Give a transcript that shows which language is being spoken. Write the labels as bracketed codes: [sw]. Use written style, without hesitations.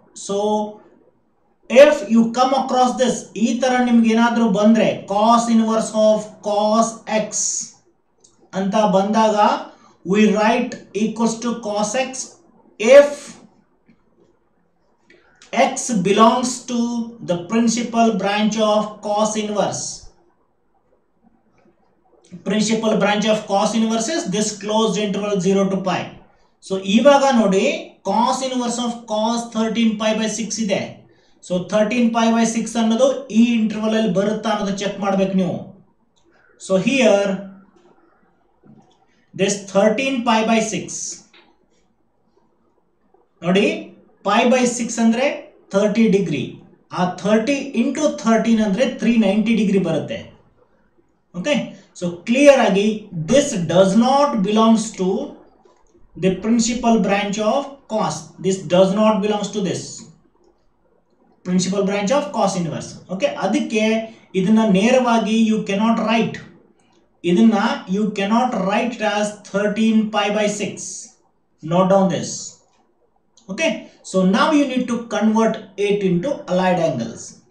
[en] So, if you come across this, [kn] ithara nimge enadru bandre [en] cos inverse of cos x [kn] anta bandaga, [en] we write equals to cos x if x belongs to the principal branch of cos inverse. Principal branch of cos inverse is this closed interval 0 to pi. [kn] So ivaga nodi cos inverse of cos 13 pi by 6 ide. So 13 pi by 6 ಅನ್ನೋದು ಈ interval ಅಲ್ಲಿ ಬರುತ್ತಾ ಅನ್ನೋದು check ಮಾಡಬೇಕು ನೀವು. So [en] here this [kn] 13 pi by 6 ನೋಡಿ, pi by 6 ಅಂದ್ರೆ 30 degree, ಆ 30 ಇಂಟು 13 ಅಂದ್ರೆ 390 ಡಿಗ್ರಿ ಬರುತ್ತೆ. [en] Okay, so clear ಆಗಿ this does not belongs to the principal branch of cos. This does not belongs to this principal branch of cos inverse. Okay, [kn] adike idanna neravagi [en] you cannot write, [kn] idanna [en] you cannot write as 13 pi by 6. Note down this. Okay, so now you need to convert it into allied angles.